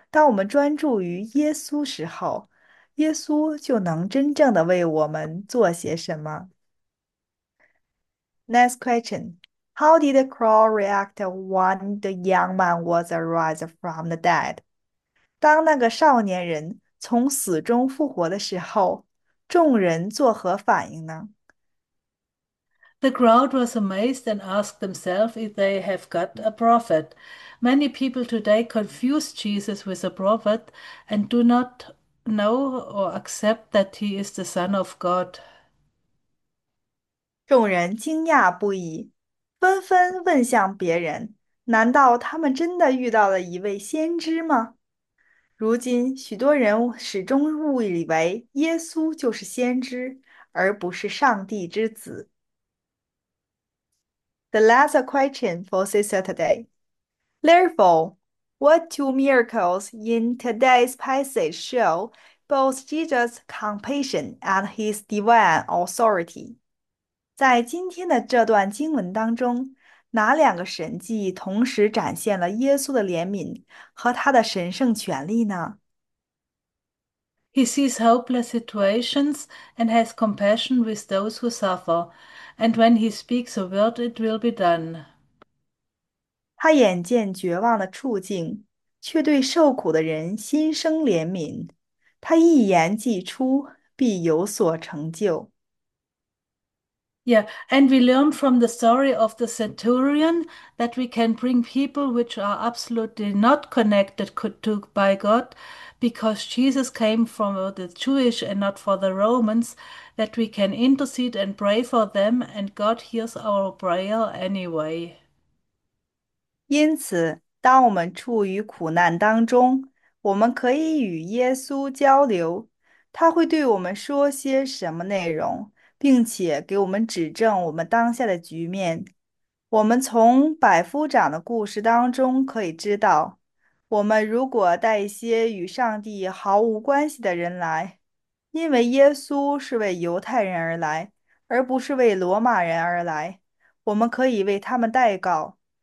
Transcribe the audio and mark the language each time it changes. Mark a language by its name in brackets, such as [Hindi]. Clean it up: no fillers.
[Chinese] 当我们专注于耶稣时候，耶稣就能真正的为我们做些什么。 [English] Next question. How did the crow react when the young man was arisen from the dead? [Chinese] 当那个少年人从死中复活的时候，众人作何反应呢？ [English] The crowd was amazed and asked themselves if they have got a prophet. Many people today confuse Jesus with a prophet and do not know or accept that he is the Son of God. [Chinese] 众人惊讶不已，纷纷问向别人：“难道他们真的遇到了一位先知吗？” 如今，许多人始终误以为耶稣就是先知，而不是上帝之子。 [English] The last question for Saturday. Therefore, what two miracles in today's passage show both Jesus' compassion and his divine authority? [Chinese] 在今天的这段经文当中，哪两个神迹同时展现了耶稣的怜悯和他的神圣权力呢？ [English] He sees hopeless situations and has compassion with those who suffer, and when he speaks a word, it will be done. [Chinese] 他眼见绝望的处境，却对受苦的人心生怜悯。他一言既出，必有所成就。 [English] Yeah, and we learn from the story of the centurion that we can bring people which are absolutely not connected to by God, because Jesus came from the Jewish and not for the Romans, that we can intercede and pray for them, and God hears our prayer anyway. [Chinese] 因此，当我们处于苦难当中，我们可以与耶稣交流，他会对我们说些什么内容，并且给我们指正我们当下的局面。我们从百夫长的故事当中可以知道，我们如果带一些与上帝毫无关系的人来，因为耶稣是为犹太人而来，而不是为罗马人而来，我们可以为他们代告。